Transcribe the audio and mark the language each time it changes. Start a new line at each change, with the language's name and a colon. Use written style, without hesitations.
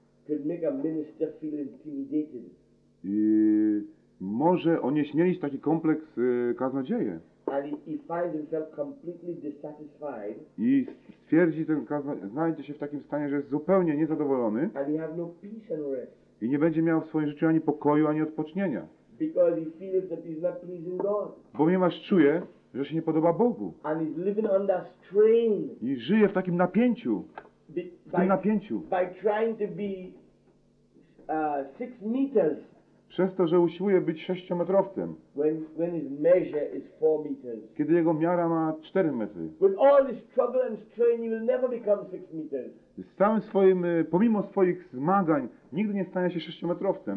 English: Could make a minister feel intimidated.
Polish: I może onieśmielić taki kompleks kaznodzieje.
English: And he finds himself completely dissatisfied.
Polish: I stwierdzi ten kaznodzieja, znajdzie się w takim stanie, że jest zupełnie niezadowolony.
English: And he have no peace and rest.
Polish: I nie będzie miał w swoim życiu ani pokoju, ani odpocznienia.
English: Because he feels that he's not pleasing God.
Polish: Ponieważ czuje, że się nie podoba Bogu.
English: And he's living under strain.
Polish: I żyje w takim napięciu. W tym napięciu.
English: By trying to be 6 meters.
Polish: Przez to, że usiłuje być sześciometrowcem.
English: When his measure is 4 meters.
Polish: Kiedy jego miara ma 4 metry.
English: With all this trouble and strain, he will never become 6 meters.
Polish: Z całym swoim, pomimo swoich zmagań, nigdy nie stanie się sześciometrowcem.